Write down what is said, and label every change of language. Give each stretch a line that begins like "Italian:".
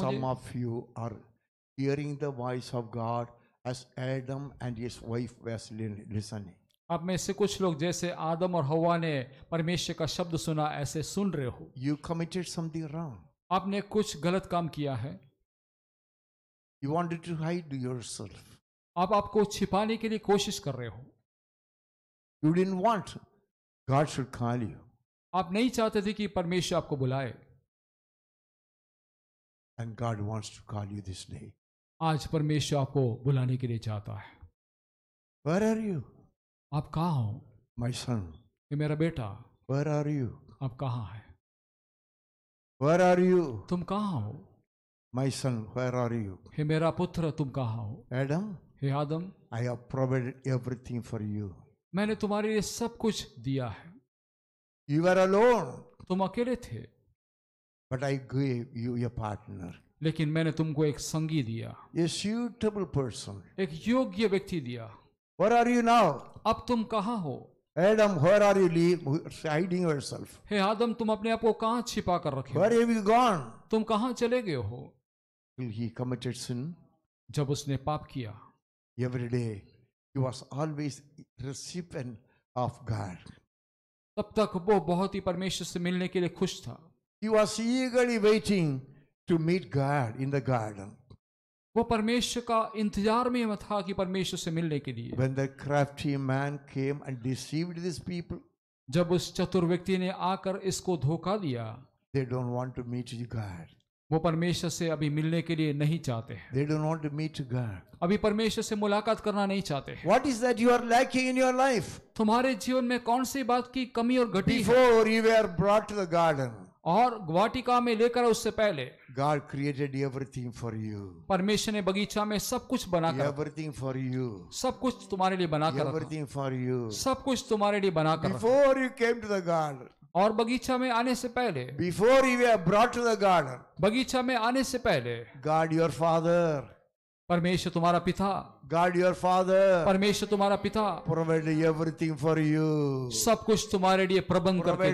English: Some of you are hearing the voice of God as Adam and his wife was listening.
Hindi: आप में से कुछ लोग जैसे आदम और हवा ने परमेश्वर का शब्द सुना ऐसे सुन रहे हो.
English: You committed something wrong.
Hindi: आपने कुछ गलत काम किया है.
English: You wanted to hide yourself.
Hindi: आपको छिपाने के लिए कोशिश कर रहे हो.
English: You didn't want God should call you.
Hindi: आप नहीं चाहते थे कि परमेश्वर आपको बुलाए.
English: And God wants to call you this day.
Hindi: आज परमेश्वर आपको बुलाने के लिए चाहता है.
English: Where are you?
Hindi: आप कहाँ हो?
English: My son.
Hindi: ये मेरा बेटा.
English: Where are you?
Hindi: आप कहाँ हैं?
English: Where are you?
Hindi: तुम कहाँ हो?
English: My son, where are you?
Hindi: ये मेरा पुत्र, तुम कहाँ हो?
English: Adam.
Hindi: Hey Adam.
English: I have provided everything for you.
Hindi: मैंने तुम्हारे लिए सब कुछ दिया है.
English: You were alone.
Hindi: तुम अकेले थे.
English: But I gave you a partner.
Hindi: लेकिन मैंने तुमको एक संगी दिया.
English: A suitable person.
Hindi: एक योग्य व्यक्ति दिया.
English: Where are you now?
Hindi: अब तुम कहाँ हो?
English: Adam, where are you hiding yourself?
Hindi: हे आदम, तुम अपने आप को कहाँ छिपा कर रखे?
English: Where have you gone?
Hindi: तुम कहाँ चले गए हो?
English: He committed sin.
Hindi: जब उसने पाप किया.
English: Every day, he was always recipient of God.
Hindi: तब तक वो बहुत ही परमेश्वर से मिलने के लिए खुश था.
English: He was eagerly waiting to meet God in the garden.
Hindi: वो परमेश्वर का इंतजार में था कि परमेश्वर से मिलने के लिए.
English: When the crafty man came and deceived these people.
Hindi: जब उस चतुर व्यक्ति ने आकर इसको धोखा दिया.
English: They don't want to meet God.
Hindi: वो परमेश्वर से अभी मिलने के लिए नहीं चाहते.
English: They don't want to meet God.
Hindi: अभी परमेश्वर से मुलाकात करना नहीं चाहते.
English: What is that you are lacking in your life?
Hindi: तुम्हारे जीवन में कौन सी बात की कमी और घटी?
English: Before you were brought to the garden.
Hindi: और वाटिका में लेकर उससे पहले.
English: God created everything for you.
Hindi: परमेश्वर ने बगीचा में सब कुछ बनाकर.
English: Everything for you.
Hindi: सब कुछ तुम्हारे लिए बनाकर.
English: Everything for you.
Hindi: सब कुछ तुम्हारे लिए बनाकर.
English: Before you came to the garden.
Hindi: और बगीचा में आने से पहले.
English: Before you were brought to the garden.
Hindi: बगीचा में आने से पहले.
English: God your father.
Hindi: परमेश्वर तुम्हारा पिता.
English: God your father
Hindi: parmeshwar tumhara pita
English: provide everything for you
Hindi: sab kuch tumhare liye prabandh karke diya